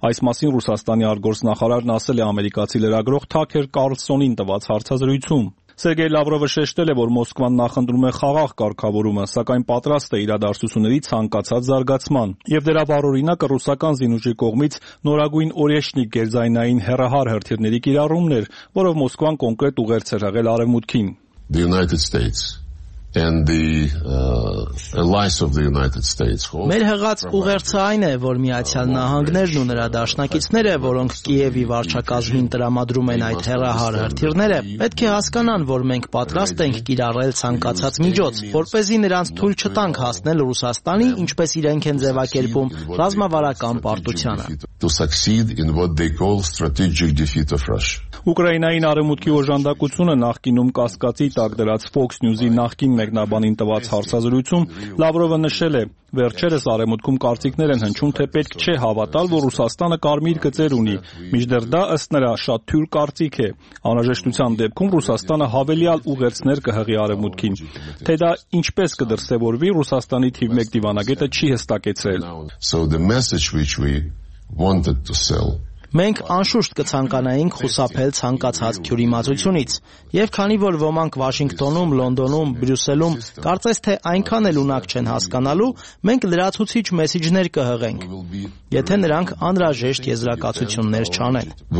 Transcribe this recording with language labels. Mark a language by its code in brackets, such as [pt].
[hy] Այս մասին Ռուսաստանի արտգործնախարարն ասել է ամերիկացի լրագրող Թաքեր Կարլսոնին տված հարցազրույցում։ Սերգեյ Լավրովը շեշտել է, որ Մոսկվան նախընտրում է խաղաղ կարգավորումը, սակայն պատրաստ է իրադարձությունների ցանկացած զարգացման, և դրա առօրինակը ռուսական զինուժի կողմից նորագույն օրեշնիկ գերձայնային հեռահար հրթիռների կիրառումն էր, որով Մոսկվան կոնկրետ ուղերձ էր հղել արևմուտքին։ [en] The United States And the allies of the United States. [hy] Մեր հղած ուղերձը այն է, որ Միացյալ Նահանգներն ու նրա դաշնակիցները, որոնք Կիևի վարչակազմին տրամադրում են այդ հեղահար հրթիռները, պետք է հասկանան, որ մենք պատրաստ ենք կիրառել ցանկացած միջոց, որպեսզի նրանց թույլ չտանք հասնել Ռուսաստանի, ինչպես իրենք են ձևակերպում, ռազմավարական պարտությանը. [en] To succeed in what they call strategic defeat of Russia. [hy] Ուկրաինային արևմուտքի օժանդակությունը նախկինում կասկածի տակ դրած Fox News-ի նախկին մեկնաբանին տված հարցազրույցում Լավրովը նշել է, վերջերս արևմուտքում կարծիքներ են հնչում, թե պետք չէ հավատալ, որ Ռուսաստանը կարմիր գծեր ունի, մինչդեռ դա ըստ նրա շատ թույլ կարծիք է։ Անհրաժեշտության դեպքում Ռուսաստանը հավելյալ ուղերձներ կհղի արևմուտքին, թե դա ինչպես կդրսևորվի, Ռուսաստանի թիվ 1 դիվանագետը չի հստակեցրել։ [en] So the message which we wanted to sell. [hy] Մենք անշուշտ կցանկանայինք խուսափել ցանկացած քյուրիմացությունից, եւ քանի որ ոմանք Վաշինգտոնում, Լոնդոնում, Բրյուսելում կարծես թե այնքան էլ ունակ չեն հասկանալու, մենք լրացուցիչ մեսիջներ կհղենք, եթե նրանք անհրաժեշտ եզրակացություններ չանեն։